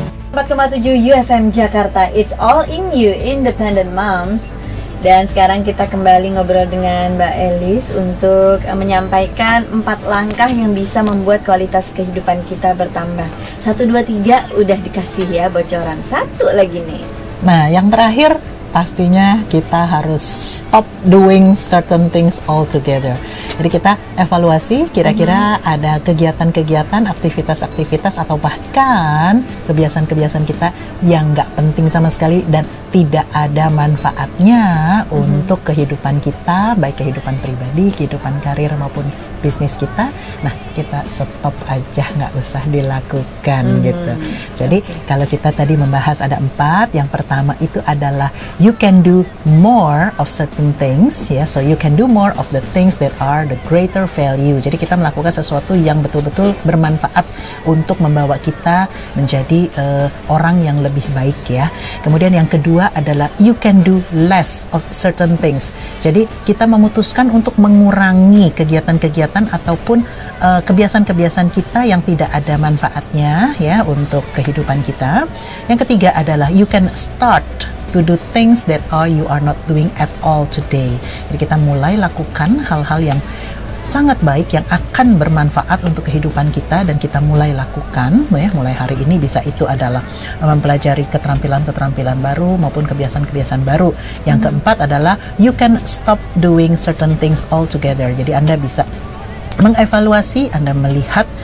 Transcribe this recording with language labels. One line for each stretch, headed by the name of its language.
English: 4,7 UFM Jakarta, it's all in you, independent moms.
Indonesian: Dan sekarang kita kembali ngobrol dengan Mbak Elis untuk menyampaikan 4 langkah yang bisa membuat kualitas kehidupan kita bertambah. 1, 2, 3 udah dikasih ya bocoran, satu lagi nih. Nah yang terakhir, pastinya kita harus
English: stop doing certain things altogether.
Indonesian: Jadi kita evaluasi kira-kira ada kegiatan-kegiatan, aktivitas-aktivitas atau bahkan kebiasaan-kebiasaan kita yang nggak penting sama sekali dan tidak ada manfaatnya untuk kehidupan kita, baik kehidupan pribadi, kehidupan karir maupun bisnis kita. Nah kita stop aja, nggak usah dilakukan gitu. Jadi kalau kita tadi membahas ada 4, yang pertama itu adalah
English: you can do more of certain things, yeah. So you can do more of the things that are the greater value.
Indonesian: Jadi kita melakukan sesuatu yang betul-betul bermanfaat untuk membawa kita menjadi orang yang lebih baik ya. Kemudian yang kedua adalah
English: you can do less of certain things.
Indonesian: Jadi kita memutuskan untuk mengurangi kegiatan-kegiatan ataupun kebiasaan-kebiasaan kita yang tidak ada manfaatnya ya untuk kehidupan kita. Yang ketiga adalah
English: you can start to do things that you are not doing at all today.
Indonesian: Jadi kita mulai lakukan hal-hal yang sangat baik yang akan bermanfaat untuk kehidupan kita dan kita mulai lakukan ya, mulai hari ini. Bisa itu adalah mempelajari keterampilan-keterampilan baru maupun kebiasaan-kebiasaan baru. Yang keempat adalah
English: you can stop doing certain things altogether.
Indonesian: Jadi Anda bisa mengevaluasi, Anda melihat